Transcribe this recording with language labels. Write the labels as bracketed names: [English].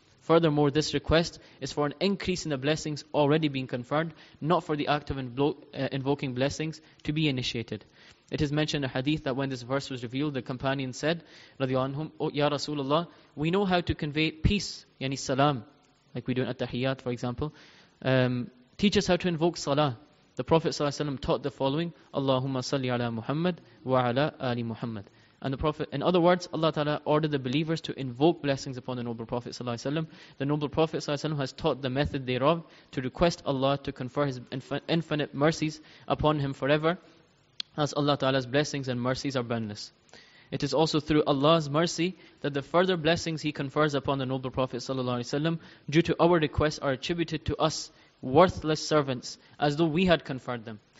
[English] Furthermore, this request is for an increase in the blessings already being conferred, not for the act of invoking blessings to be initiated. It is mentioned in a hadith that when this verse was revealed, the companion said, [Arabic] رَضِيَ عَنْهُمْ يَا رَسُولَ اللَّهِ, [English] we know how to convey peace, yani salam, like we do in At-Tahiyyat, for example. Teach us how to invoke salah. The Prophet ﷺ taught the following, [Arabic] اللهم صلي على محمد وعلى آل محمد. [English] And the Prophet, in other words, Allah Ta'ala ordered the believers to invoke blessings upon the noble Prophet Sallallahu Alaihi Wasallam. The noble Prophet Sallallahu Alaihi Wasallam has taught the method thereof, to request Allah to confer his infinite mercies upon him forever, as Allah Ta'ala's blessings and mercies are boundless. It is also through Allah's mercy that the further blessings he confers upon the noble Prophet Sallallahu Alaihi Wasallam, due to our requests, are attributed to us, worthless servants, as though we had conferred them.